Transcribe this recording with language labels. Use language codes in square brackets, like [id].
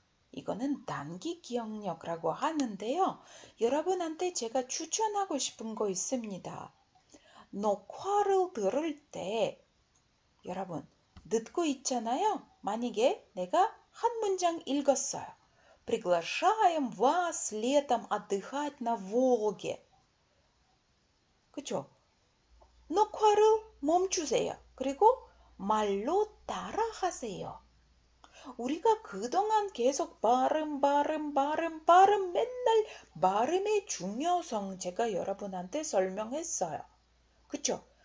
[ko] 이거는 단기 기억력이라고 하는데요. 여러분한테 제가 추천하고 싶은 거 있습니다. 녹화를 들을 때, 여러분, 듣고 있잖아요? 만약에 내가 한 문장 읽었어요. [ru] Приглашаем вас летом отдыхать на Волге. [ko] 그쵸? 녹화를 멈추세요. 그리고 말로 따라하세요. 우리가 그동안 계속 발음, 발음, 발음, 발음, 맨날 발음의 중요성 제가 여러분한테 설명했어요. 그쵸?